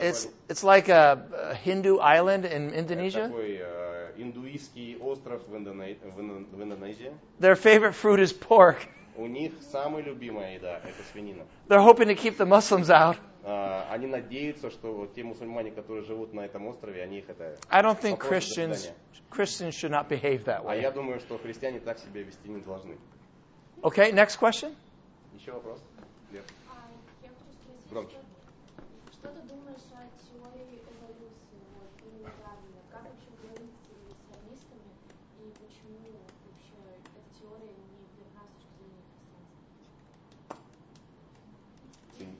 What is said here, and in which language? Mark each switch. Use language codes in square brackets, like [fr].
[en] Бали. It's like a Hindu island in Indonesia. [ru] Это такой индуистский остров в Индонезии. [en] Their favorite fruit is pork. [ru] У них самая любимая еда – это свинина. [en] They're hoping to keep the Muslims out. [ru] Они надеются, что те мусульмане, которые живут на этом острове, они их это... [en] I don't think Christians should not behave that way. [ru] А я думаю, что христиане так себя вести не должны. [en] Okay, next question. [ru] Еще вопрос. Я хочу спросить, что Что ты думаешь о теории эволюции, вот, элементарно? Как вообще говорить с эволюционистами, и почему вообще эта теория не верна с точки зрения христианства?